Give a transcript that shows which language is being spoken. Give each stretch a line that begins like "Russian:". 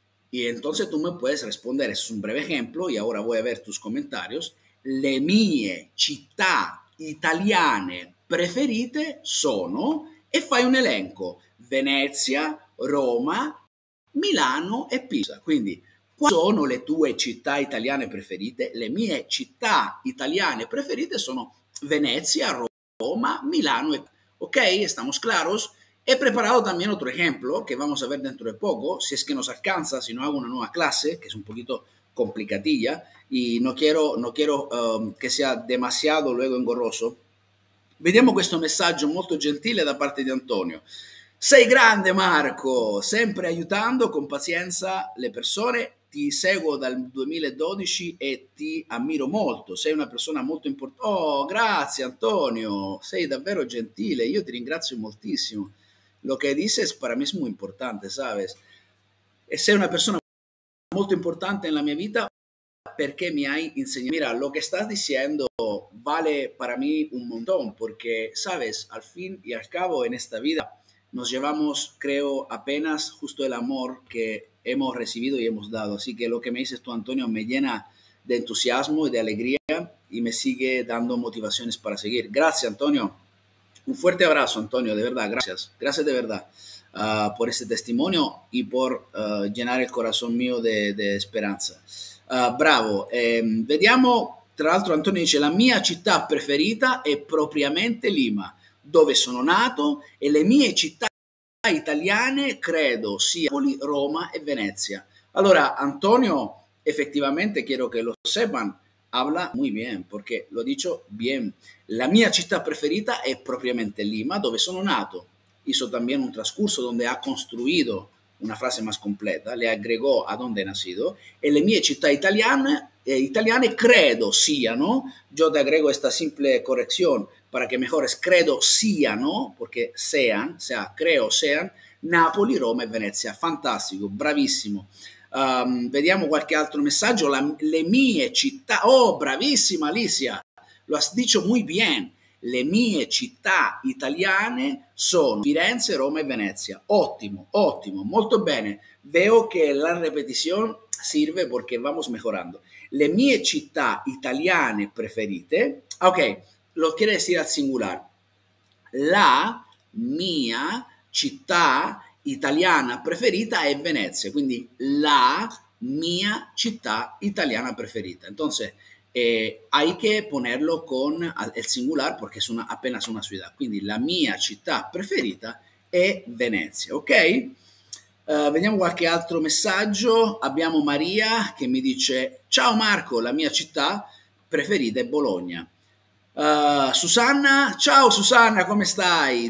Spanish: Y entonces tú me puedes responder, es un breve ejemplo, y ahora voy a ver tus comentarios.
Italian: Le mie città italiane preferite sono, e fai un elenco, Venezia, Roma, Milano e Pisa. Quindi, quali sono le tue città italiane preferite? Le mie città italiane preferite sono Venezia, Roma, Milano e Pisa.
Spanish: Ok, estamos claros? He preparado también otro ejemplo que vamos a ver dentro de poco, si es que nos alcanza, si no hago una nueva clase, que es un poquito complicadilla, y no quiero que sea demasiado luego engorroso.
Italian: Vediamo questo messaggio molto gentile da parte di Antonio. Sei grande, Marco, sempre aiutando con pazienza le persone. Ti seguo dal 2012 e ti ammiro molto. Sei una persona molto importante. Oh, grazie, Antonio. Sei davvero gentile. Io ti ringrazio moltissimo. Lo che dici è per me molto importante,
Spanish: sabes?
Italian: E sei una persona molto importante nella mia vita perché mi hai insegnato.
Spanish: Mira,
Italian: lo che stai dicendo vale per me un montone perché,
Spanish: sabes, al fin e al cabo in questa vita nos llevamos, creo, apenas justo el amor que hemos recibido y hemos dado. Así que lo que me dices tú, Antonio, me llena de entusiasmo y de alegría y me sigue dando motivaciones para seguir. Gracias, Antonio. Un fuerte abrazo, Antonio, de verdad, gracias. Gracias de verdad por este testimonio y por llenar el corazón mío de esperanza. Bravo.
Italian: Vediamo, tra l'altro, Antonio dice, la mia città preferita è propriamente Lima, dove sono nato, e le mie città italiane credo sia Napoli, Roma e Venezia.
Spanish: Allora, Antonio, effettivamente, quiero che lo sepan, habla muy bien,
Italian: perché lo ha detto
Spanish: bien.
Italian: La mia città preferita è propriamente Lima, dove sono nato.
Spanish: Hizo también un transcurso donde ha construido una frase más completa, le agregó a donde he nacido,
Italian: e le mie città italiane, italiane credo siano,
Spanish: yo te agrego esta simple corrección, para que mejores, credo siano, porque sean, o sea, creo sean, Napoli, Roma e Venezia.
Italian: Fantastico, bravissimo. Vediamo qualche altro messaggio. Le mie città,
Spanish: oh, bravissima Alicia, lo has dicho muy bien.
Italian: Le mie città italiane sono Firenze, Roma e Venezia. Ottimo, ottimo, molto bene.
Spanish: Veo che la repetizione serve perché vamos mejorando.
Italian: Le mie città italiane preferite,
Spanish: ok, lo quiere decir al singular.
Italian: La mia città italiana preferita è Venezia, quindi la mia città italiana preferita.
Spanish: Entonces, hay que ponerlo con el singular porque es una, apenas una ciudad.
Italian: Quindi la mia città preferita è Venezia, ok? Vediamo qualche altro messaggio. Abbiamo Maria che mi dice, ciao Marco, la mia città preferita è Bologna. Susanna, ciao Susanna, come stai?